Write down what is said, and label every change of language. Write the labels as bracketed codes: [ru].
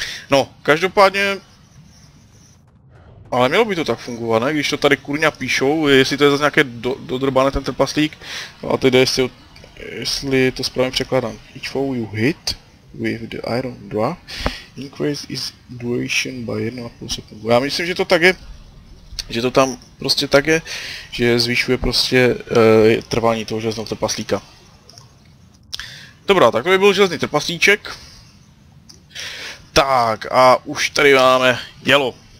[cs] No, každopádně, ale mělo by to tak fungovat, ne? Když to tady kurňa píšou, jestli to je zase nějaké dodrbané ten trpaslík, a teď jde, jestli to správně překládám. [en] Each foe you hit with the iron draw increase its duration by 1,5 sekundy. [cs] Já myslím, že to tak je, že to tam prostě tak je, že zvyšuje prostě trvání toho železného trpaslíka. Dobrá, tak to by byl železný trpaslíček. Tak, a už tady máme dělo.